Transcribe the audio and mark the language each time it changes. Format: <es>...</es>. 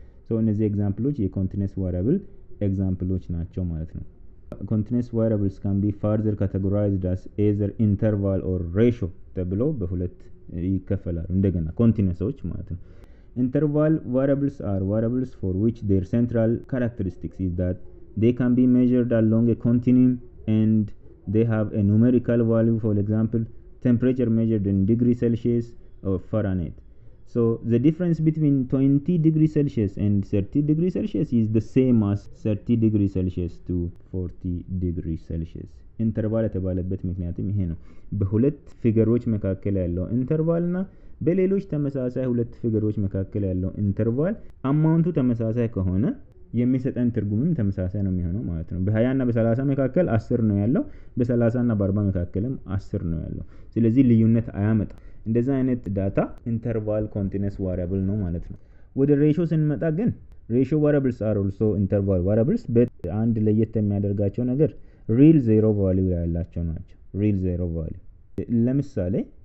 <am>ሶ እነዚህ ኤግዛምፕሎች የcontinuous variable ኤግዛምፕሎች ናቸው ማለት ነው።</am> <en>continuous variables can be further categorized as either interval or ratio</en> <am>ተብሎ በሁለት ይከፈላሉ። እንደገና continuousዎች ማለት ነው።</am> <en>interval variables are variables for which their central characteristics is that they can be measured along a continuum and they have a numerical value for example temperature measured in degree celsius or fahrenheit. so the difference between 20 degree celsius and 30 degree celsius is the same as 30 degree celsius to 40 degree celsius.</en> <am>interval የተባለበት ምክንያትም ይሄ ነው። በሁለት ፊገሮች መካከለ ያለው interval እና በሌሎች ተመሳሳይ ሁለት ፊገሮች መካከለ ያለው interval amountu ተመሳሳይ ከሆነ የሚሰጠን ትርጉምም ተመሳሳይ ነው የሚሆነው ማለት ነው። በ20 እና በ30 መካከል 10 ነው ያለው በ30 እና በ40 መካከልም 10 ነው ያለው ስለዚህ ልዩነት አያመጣም። እንደዛ አይነት ዳታ interval continuous variable ነው ማለት ነው። ወደ ratio ስንመጣ ግን</am> <en>ratio variables are also interval variables but</en> <am>አንድ ለየት የሚያደርጋቸው ነገር real zero value ያላቸው ናቸው። real zero value ለምሳሌ</am>